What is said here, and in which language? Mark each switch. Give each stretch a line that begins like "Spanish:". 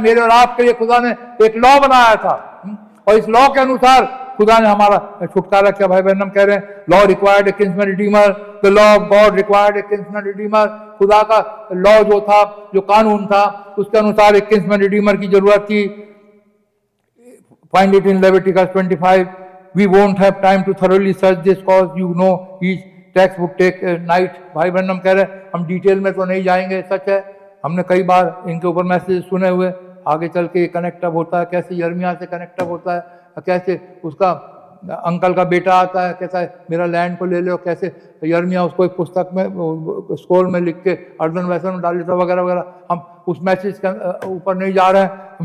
Hindi: मेरे और आपके लिए खुदा ने एक लॉ बनाया था और इस लॉ के अनुसार खुदा ने हमारा छुटकारा किया। भाई बहन हम कह रहे हैं
English: Law required a kinsman redeemer, the law of God required a kinsman redeemer.
Hindi: खुदा का लॉ जो था, जो कानून था, उसके अनुसार एक किंग्समैन रिडीमर की जरूरत थी।
English: Find it in Leviticus 25। We won't have time to thoroughly search this cause, you know, each text would take a night.
Hindi: भाई ब्रैनम कह रहे हैं हम डिटेल में तो नहीं जाएंगे, सच है हमने कई बार इनके ऊपर मैसेज सुने हुए, आगे चल के कनेक्टअप होता है, कैसे यर्मिया से कनेक्टअप होता है, कैसे उसका अंकल का बेटा आता है, कैसा मेरा लैंड को ले लो, कैसे यर्मिया उसको एक पुस्तक में स्कोर में लिख के अर्दन वैसन में डाल देता वगैरह वगैरह, हम उस मैसेज के ऊपर नहीं जा रहे हैं।